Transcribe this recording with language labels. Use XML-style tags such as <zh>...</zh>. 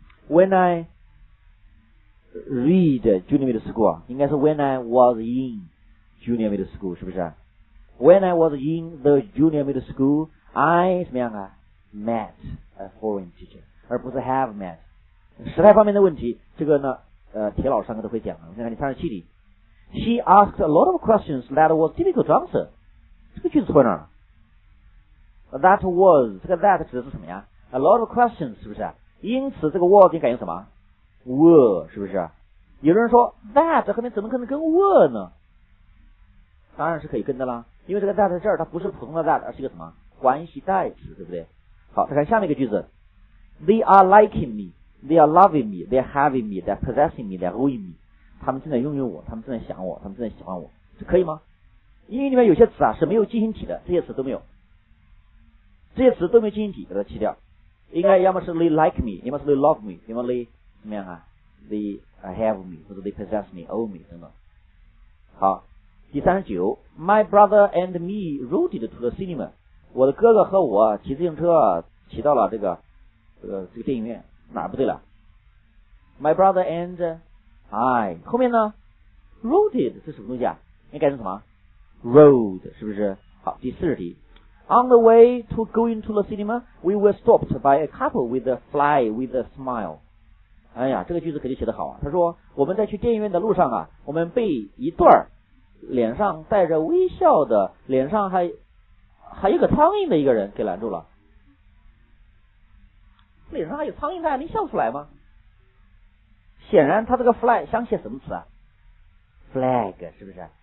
<en>When I read junior middle school</en> <zh>应该是</zh> <en>When I was in junior middle school， 是不是？ When I was in the junior middle school I</en> <zh>什么样啊？</zh> <en>Met a foreign teacher， 而不是 have met，</en> <zh>时态方面的问题，这个呢，铁老上课都会讲的。你看第37里</zh> <en>，She asked a lot of questions that was difficult to answer。</en> <zh>这个句子错哪了 ？That was 这个 that 指的是什么呀 ？</zh> <en>A lot of questions</en> <zh>是不是？因此这个 was 你感应什么 ？Were 是不是？有人说 that 后面怎么可能跟 were 呢？当然是可以跟的啦，因为这个 that 在这儿它不是普通的 that， 而是一个什么关系代词，对不对？好，再看下面一个句子 ，</zh> <en>They are liking me。 They are loving me, they are having me, they are possessing me, they are owing me.</en> <zh>他们正在拥有我，他们正在想我，他们正在喜欢我，这可以吗？英语里面有些词啊是没有进行体的，这些词都没有，这些词都没有进行体，把它去掉。应该要么是</zh> <en>they like me,</en> <zh>要么是</zh> <en>they love me, 要么 they</en> <zh>怎么样啊</zh> <en>？They have me 或者 they possess me, own me 等等。</en> <zh>好，第39</zh> <en>，My brother and me rode to the cinema.</en> <zh>我的哥哥和我骑自行车骑到了这个电影院。哪儿不对了 ？</zh> <en>My brother and I</en> <zh>后面呢 ？Roaded 是什么东西啊？应该是什么 ？Road 是不是？好，第40题</zh> <en>，On the way to going to the cinema, we were stopped by a couple with a fly with a smile。</en> <zh>哎呀，这个句子可就写得好啊！他说，我们在去电影院的路上啊，我们被一段脸上带着微笑的、脸上还有个苍蝇的一个人给拦住了。脸上还有苍蝇蛋，能笑出来吗？显然他这个 fly 想写什么词啊 ？flag 是不是？</zh>